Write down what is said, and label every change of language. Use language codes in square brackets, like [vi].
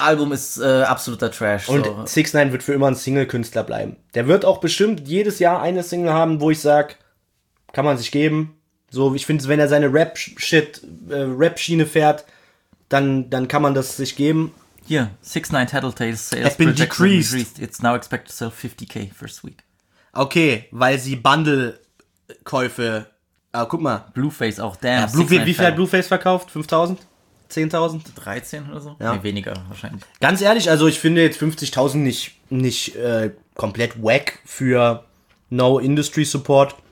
[de] Album ist absoluter Trash. Und 6ix9ine wird für immer ein Single-Künstler bleiben. Der wird auch bestimmt jedes Jahr eine Single haben, wo ich sag, kann man sich geben. So, ich finde, wenn er seine Rap-Schiene fährt, dann kann man das sich geben. Hier, 6ix9ine Tattletales [en] Sales have been decreased. It's now expected to sell 50k first week. [de] Okay, weil sie Bundle-Käufe... Ah, guck mal. Blueface auch, damn. Ja, wie viel hat Blueface verkauft? 5.000? 10.000? 13 oder so? Ja. Nee, weniger wahrscheinlich. Ganz ehrlich, also ich finde jetzt 50.000 nicht komplett whack für No Industry Support.